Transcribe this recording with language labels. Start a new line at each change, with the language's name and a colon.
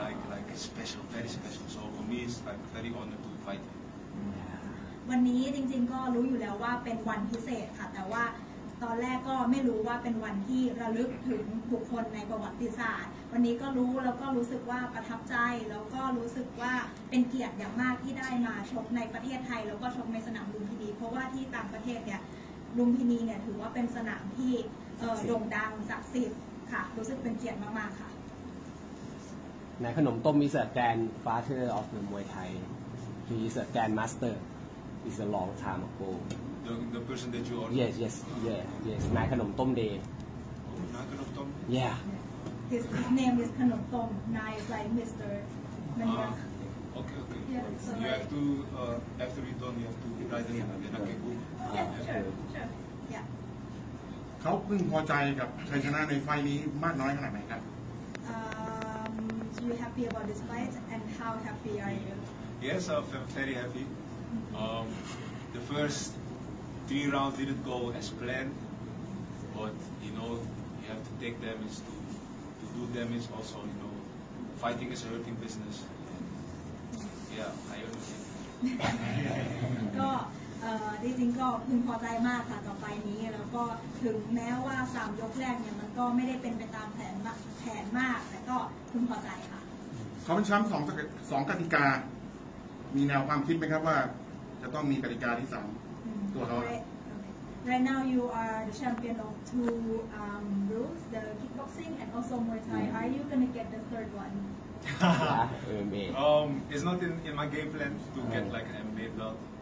English: Like special, very special. So for me, it's like very honored to fight here. Yeah.
Thai: วันนี้จริงๆก็รู้อยู่แล้วว่าเป็นวันพิเศษค่ะแต่ว่าตอนแรกก็ไม่รู้ว่าเป็นวันที่ระลึกถึงบุคคลในประวัติศาสตร์วันนี้ก็รู้แล้วก็รู้สึกว่าประทับใจแล้วก็รู้สึกว่าเป็นเกียรติอย่างมากที่ได้มาชกในประเทศไทยแล้วก็ชกในสนามลุมพินีเพราะว่าที่ต่างประเทศเนี่ยลุมพินีเนี่ยถือว่าเป็นสนามที่โด่งดังศักดิ์สิทธิ์ค่ะรู้สึกเป็นเกียรติมากๆค่ะ ในขนมต้มมีเสด็จแดน
English: Father of the Muay Thai
Thai: มีเสด็จแดน
English: Master is a long time ago The person that you are? Yes. Nai Khanom Tom Day. Nai Khanom Tom? Yeah. His name is Khanom Tom. Nai is like Mr. Okay. Yeah, so you have to, after you're done, you have to write the name. Yeah, sure.
Thai: เขาพึงพอใจกับชัยชนะในไฟนี้มากน้อยขนาดไหนครับ
English: Are you happy about this fight? And how happy are you? Yes, I'm very happy. The first 3 rounds didn't go as planned, but you know, you have to take damage to do damage also, you know, fighting is a hurting business. Yeah, I understand.
Thai: ก็จริงๆก็พึงพอใจมากค่ะกับไฟนี้แล้วก็ถึงแม้ว่า3ยกแรกเนี่ยมันก็ไม่ได้เป็นไปตามแผนมากแต่ก็พึงพอใจค่ะ เขาเป็นแชมป์2กติกามีแนวความคิดไหมครับว่าจะต้องมีกติกาที่3
English: Okay. right now you are the champion of two rules, the kickboxing and also Muay Thai. Mm-hmm. Are you gonna get the third one? It's not in my game plan to get like an MMA belt.